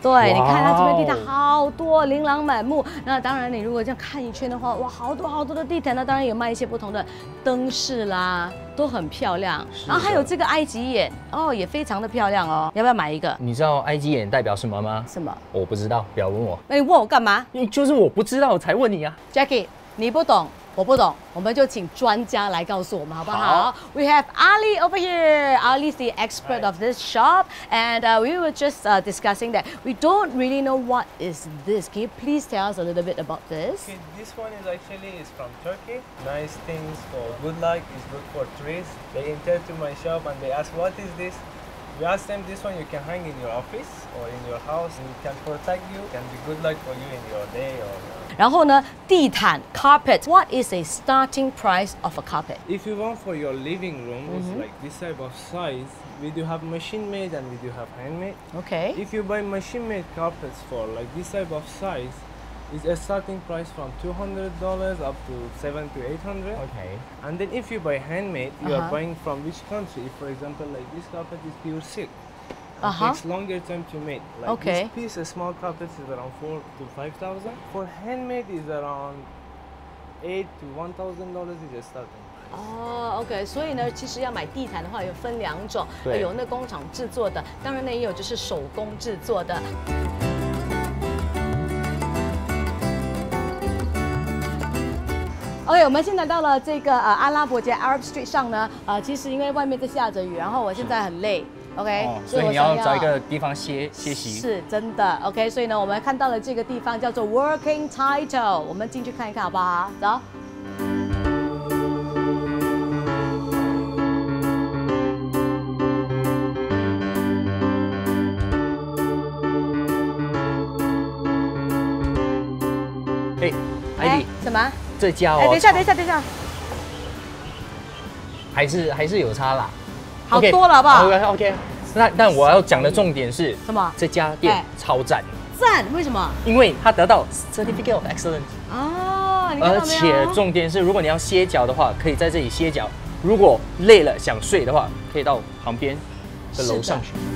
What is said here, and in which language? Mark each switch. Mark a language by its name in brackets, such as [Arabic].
[Chinese] 对，你看它这边地毯好多，琳琅满目。那当然你如果这样看一圈的话，哇，好多好多的地毯。那当然有卖一些不同的灯饰啦，都很漂亮。是，然后还有这个埃及眼哦，也非常的漂亮哦，要不要买一个？你知道埃及眼代表什么吗？什么？我不知道，不要问我。那你问我干嘛？就是我不知道我才问你啊。 Jackie，你不懂，我不懂，我们就请专家来告诉我们，好不好？好 [English] ，We have Ali over here. Ali is the expert of this shop, and we were just discussing that we don't really know what is this. Can you please tell us a little bit about this? Okay, this one is actually is from Turkey. Nice things for good luck. It's good for trees. They enter to my shop and they ask, "What is this?" We ask them, "This one you can hang in your office or in your house, and it can protect you. Can be good luck for you in your day or." [Chinese] 然后呢，地毯 carpet. [English] What is a starting price of a carpet? If you want for your living room, it's like this type of size. We do have machine made and we do have handmade. Okay. If you buy machine made carpets for like this type of size, it's a starting price from $200 up to $700 to $800. Okay. And then if you buy handmade, you are buying from which country? If for example, like this carpet is pure silk. It takes longer time to make. Like okay. This piece, a small carpet, is around $4,000 to $5,000. For handmade, is around $8,000 to $1,000 is a starting. [Chinese] OK， 所以呢，其实要买地毯的话，有分两种，有那工厂制作的，当然呢，也有就是手工制作的。 OK， 我们现在到了这个阿拉伯街 Arab Street 上呢，其实因为外面在下着雨，然后我现在很累。 OK，所以你要找一个地方歇歇息，是真的。 OK， 所以呢，我们看到了这个地方叫做 Working Title， 我们进去看一看好不好？走。哎，艾迪，什么？这家哦，等一下，还是有差啦，好多了，好不好？OK。 但我要讲的重点是什么？这家店超赞，赞！为什么？因为它得到 [English] Certificate of Excellence [Chinese] 你看到没有？而且重点是，如果你要歇脚的话，可以在这里歇脚；如果累了想睡的话，可以到旁边的楼上去。